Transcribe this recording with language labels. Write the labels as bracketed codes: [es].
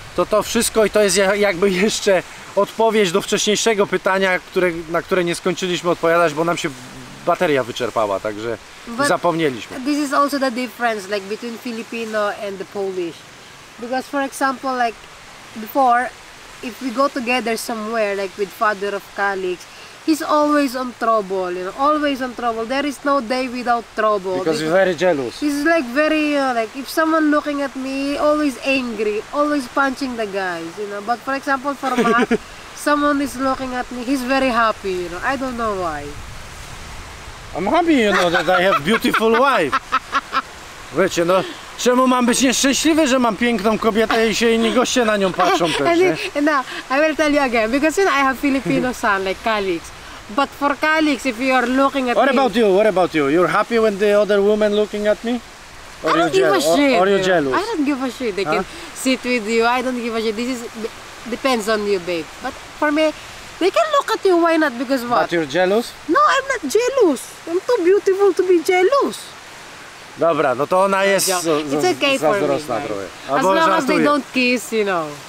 [pl] To wszystko i to jest jakby jeszcze odpowiedź do wcześniejszego pytania, na które nie skończyliśmy odpowiadać, bo nam się bateria wyczerpała, także zapomnieliśmy. [en] This is also the difference like between Filipino and the Polish. Because for example, like before, if we go together somewhere like with father of Calix, he's always on trouble, you know, always on trouble. There is no day without trouble. Because he's very jealous. He's like very, you know, like if someone looking at me, always angry, always punching the guys, you know. But for example, for Matt, someone is looking at me, he's very happy, you know. I don't know why. I'm happy, you know, that I have beautiful wife. [pl] Wiecie, no, czemu mam być nieszczęśliwy, że mam piękną kobietę i się inni goście na nią patrzą też, nie? [en] No, I will tell you again, because you know, I have Filipino son, like Calix. But for Calix, if you are looking at me... What about you? You're happy when the other woman looking at me? Or I don't give a shit. Or you're jealous? I don't give a shit. They can sit with you. I don't give a shit. This is depends on you, babe. But for me, they can look at you. Why not? Because what? But you're jealous? No, I'm not jealous. I'm too beautiful to be jealous. [pl] Dobra, no to ona jest zazdrosna trochę. [en] As long as they don't kiss, you know.